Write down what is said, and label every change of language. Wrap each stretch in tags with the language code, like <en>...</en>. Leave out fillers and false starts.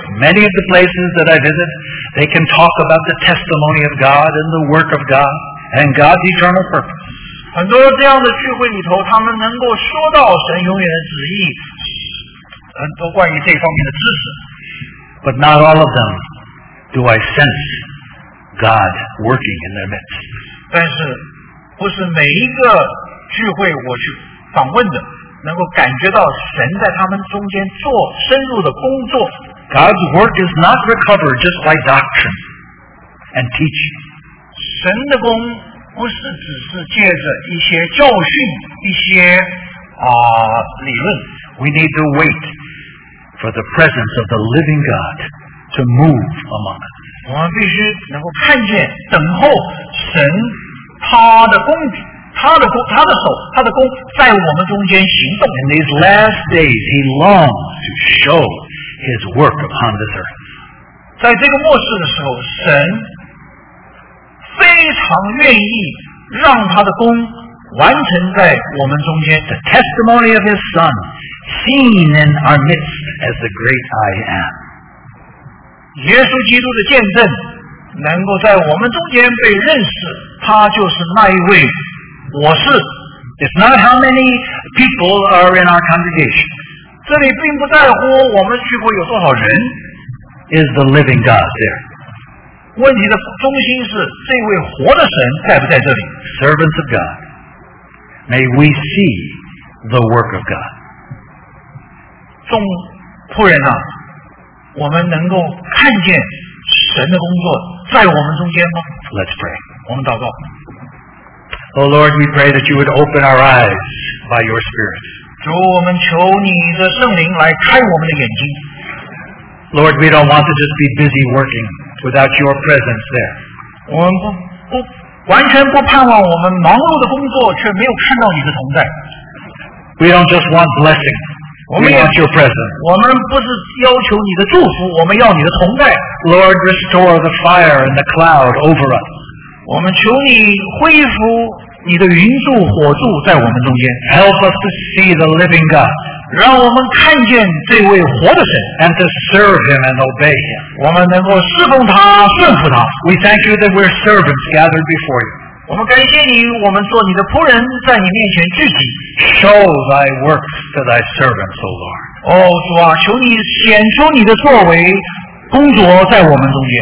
<en>Many of the places that I visit, they can talk about the testimony of God and the work of God and God's eternal purpose.</en> <zh>很多这样的聚会里头，他们能够说到神永远的旨意，很多关于这方面的知识。</zh> <en>But not all of them do I sense God working in their midst.</en> <zh>但是不是每一个聚会我去访问的能够感觉到神在他们中间做深入的工作。</zh> <en>God's work is not recovered just by doctrine and teaching.</en> <zh>神的工不是只是借着一些教训一些理论。</zh> <en>We need to wait for the presence of the living God to move among us.</en> <zh>我们必须能够看见等候神他的工具他的手在我们中间行动。</zh> <en>In these last days, he longs to show his work upon this earth.</en> <zh>在这个末世的时候，神非常愿意让他的工完成在我们中间。</zh> <en>The testimony of his son, seen in our midst as the great I am.</en> <zh>耶稣基督的见证能够在我们中间被认识，他就是那一位我是。</zh> <en>It's not how many people are in our congregation.</en> <zh>这里并不在乎我们聚会有多少人。</zh> <en>Is the living God there?</en> <zh>问题的中心是这位活的神在不在这里。</zh> <en>Servants of God, may we see the work of God.</en> <zh>众仆人啊，我们能够看见神的工作在我们中间吗？</zh> <en>Let's pray.</en> <zh>我们祷告。</zh> <en>Oh Lord, we pray that you would open our eyes by your Spirit.</en> <zh>主，我们求你的圣灵来开我们的眼睛。</zh> <en>Lord, we don't want to just be busy working without your presence there.</en> <zh>我们不完全不盼望我们忙碌的工作却没有看到你的同在。</zh> <en>We don't just want blessing. We want your presence.</en> <zh>我们不是要求你的祝福，我们要你的同在。</zh> <en>Lord, restore the fire and the cloud over us.</en> <zh>我们求你恢复你的云柱火柱在我们中间。</zh> <en>Help us to see the living God.</en> <zh>让我们看见这位活的神。</zh> <en>And to serve Him and obey Him.</en> <zh>我们能够侍奉他，顺服他。</zh> <en>We thank you that we're servants gathered before you.</en> <zh>我们感谢你，我们做你的仆人，在你面前聚集。</zh> <en>Show thy works to thy servants, O Lord.</en> <zh>哦，主啊，求你显出你的作为，工作在我们中间。</zh>